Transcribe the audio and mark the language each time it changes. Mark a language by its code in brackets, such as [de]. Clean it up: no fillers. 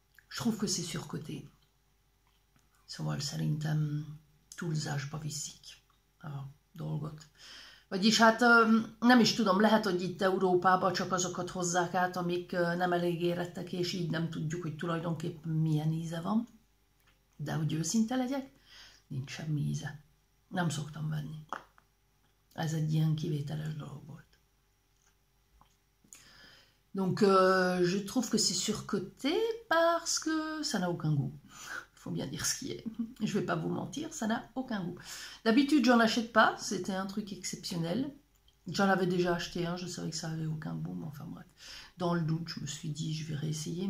[fr] Je trouve que c'est surcoté. Ça va, le Salintam, tout le Zage, pas physique. Alors, Dolgot. [hu] Vagyis hát nem is tudom, lehet, hogy itt Európában csak azokat hozzák át, amik nem elég érettek, és így nem tudjuk, hogy tulajdonképpen milyen íze van. De hogy őszinte legyek, nincs semmi íze. Nem szoktam venni. Ez egy ilyen kivételes dolog volt. [fr] Donc, je trouve que c'est surcoté parce que ça n'a aucun goût. Faut bien dire ce qui est. Je ne vais pas vous mentir, ça n'a aucun goût. D'habitude, j'en achète pas. C'était un truc exceptionnel. J'en avais déjà acheté un. Je savais que ça avait aucun goût. Mais enfin bref, dans le doute, je me suis dit, je vais réessayer.